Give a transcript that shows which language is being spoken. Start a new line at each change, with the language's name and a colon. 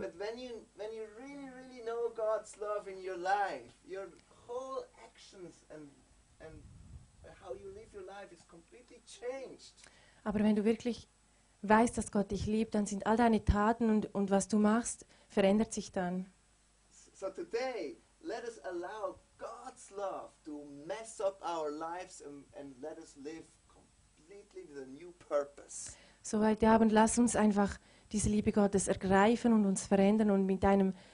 German: Aber wenn du wirklich weißt, dass Gott dich liebt, dann sind all deine Taten und was du machst, verändert sich dann.
English: So today, let us allow God's love to mess up our lives and let us live completely with a new purpose.
German: So heute Abend lass uns einfach diese Liebe Gottes ergreifen und uns verändern und mit einem